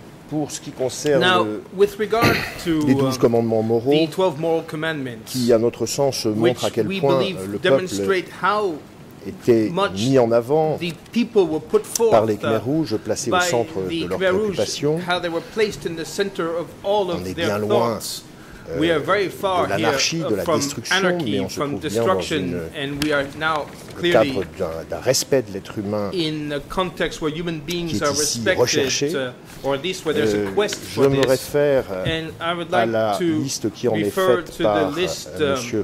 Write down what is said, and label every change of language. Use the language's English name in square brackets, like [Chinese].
[French] Pour ce qui concerne les 12 commandements moraux, [English] the 12 moral commandments, [French] qui, à notre sens, montrent à quel point le peuple était mis en avant par les Khmer Rouges, placés au centre de leurs préoccupations, [English] how they were placed in the center of all of [French] on est bien loin [English] we are very far [French] de l'anarchie, de la destruction, [English] anarchy, [French] mais on se trouve bien dans le cadre d'un respect de l'être humain [English] in a context where human beings [French] qui est ici [English] are respected, [French] recherché. [English] Or at least where there's a quest [French] je [English] for [French] me [English] this. [French] Réfère à la liste qui en est faite par M.